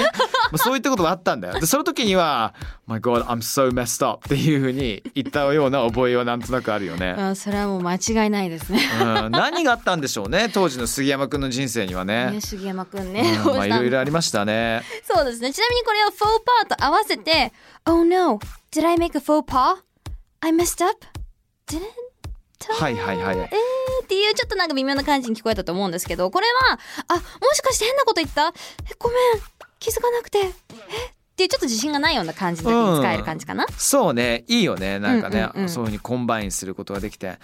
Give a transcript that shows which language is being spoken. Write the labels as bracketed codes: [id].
[ja] まあ、そういったことがあったんだよ。でその時には [en] My God, I'm so messed up [ja] っていうふうに言ったような覚えはなんとなくあるよね。まあ、それはもう間違いないですね。うん、何があったんでしょうね、当時の杉山くんの人生にはね。杉山くんね、うん、まあ、いろいろありましたね。そうですね。ちなみにこれを faux pas と合わせて [en] Oh no, did I make a faux pas? I messed up? Didn't? [ja] はいはいはい、っていうちょっとなんか微妙な感じに聞こえたと思うんですけど、これはあ、もしかして変なこと言った、えごめん気づかなくて、えっていうちょっと自信がないような感じで使える感じかな、うん、そうね、いいよね、なんかね、うんうんうん、そういう風にコンバインすることができて。